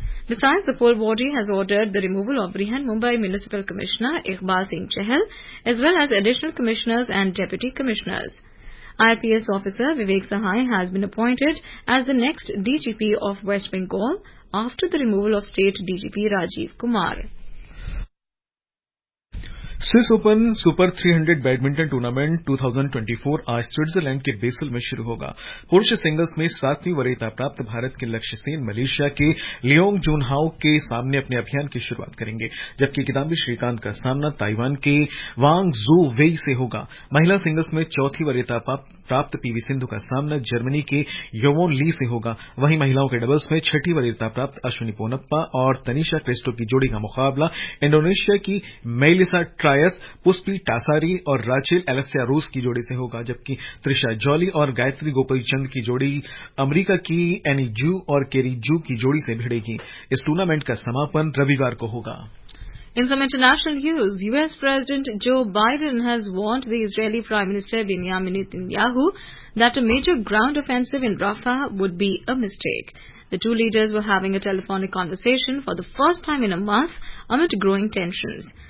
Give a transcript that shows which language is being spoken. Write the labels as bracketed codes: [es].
[en] Besides, the poll body has ordered the removal of Brihan Mumbai Municipal Commissioner Iqbal Singh Chahal, as well as additional commissioners and deputy commissioners. IPS officer Vivek Sahai has been appointed as the next DGP of West Bengal after the removal of state DGP Rajiv Kumar. [hi] Swiss open super 300 badminton tournament 2024 आज Switzerland के basal में शुरू होगा। पुरुष singles में सातवीं वरीयता प्राप्त भारत के लक्ष्य सेन मलेशिया के लियोंग जूनहाओ के सामने अपने अभियान की शुरुआत करेंगे, जबकि किदांबी श्रीकांत का सामना ताइवान के वांग जू वेई से होगा। महिला सिंगल्स में चौथी वरीयता प्राप्त पीवी सिंधु का सामना जर्मनी के योवोन ली से होगा। वहीं महिलाओं के डबल्स में छठी वरीयता प्राप्त अश्विनी पोनप्पा और तनिषा क्रिस्टो की जोड़ी का मुकाबला इंडोनेशिया की मेलिसा ट्रायस, पुष्पी टासारी और राचेल एलेक्सिया रूस की जोड़ी से होगा, जबकि त्रिशा जॉली और गायत्री गोपीचंद की जोड़ी अमरीका की एनी जू और केरी जू की जोड़ी से भिड़ेगी। इस टूर्नामेंट का समापन रविवार को होगा। [en] In some international news, US President Joe Biden has warned the Israeli Prime Minister Benjamin Netanyahu that a major ground offensive in Rafah would be a mistake. The two leaders were having a telephonic conversation for the first time in a month amid growing tensions.